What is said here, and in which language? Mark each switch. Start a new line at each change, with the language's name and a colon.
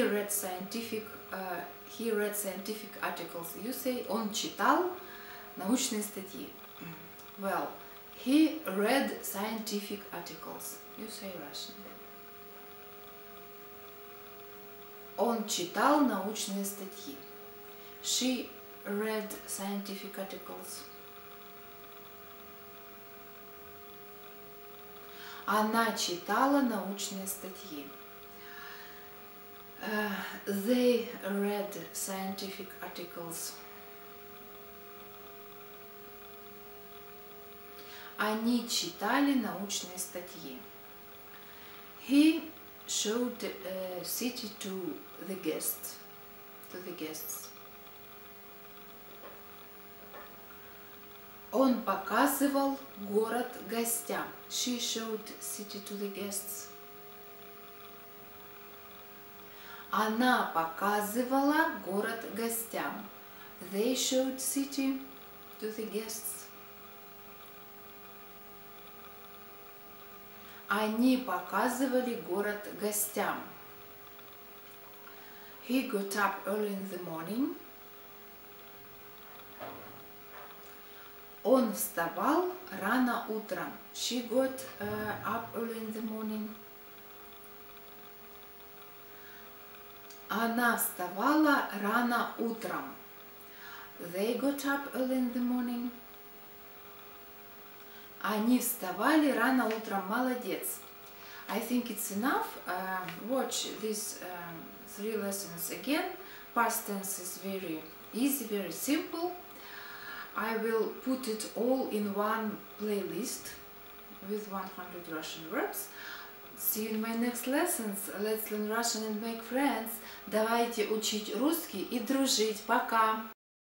English: He read scientific articles. You say
Russian: он читал научные статьи.
English: Well, he read scientific articles. You say Russian.
Russian: Он читал научные статьи.
English: She read scientific articles.
Russian: Она читала научные статьи.
English: They read scientific articles.
Russian: Они читали научные статьи.
English: He showed city to the guests. To the guests.
Russian: Он показывал город гостям.
English: She showed city to the guests.
Russian: Она показывала город гостям.
English: They showed city to the guests.
Russian: Они показывали город гостям.
English: He got up early in the morning.
Russian: Он вставал рано утром.
English: She got up early in the morning.
Russian: Она вставала рано утром.
English: They got up early in the morning.
Russian: Они вставали рано утром.
English: Молодец. I think it's enough. Watch these three lessons again. Past tense is very easy, very simple. I will put it all in one playlist with 100 Russian verbs. See you in my next lessons. Let's learn Russian and make friends.
Russian: Давайте учить русский и дружить. Пока!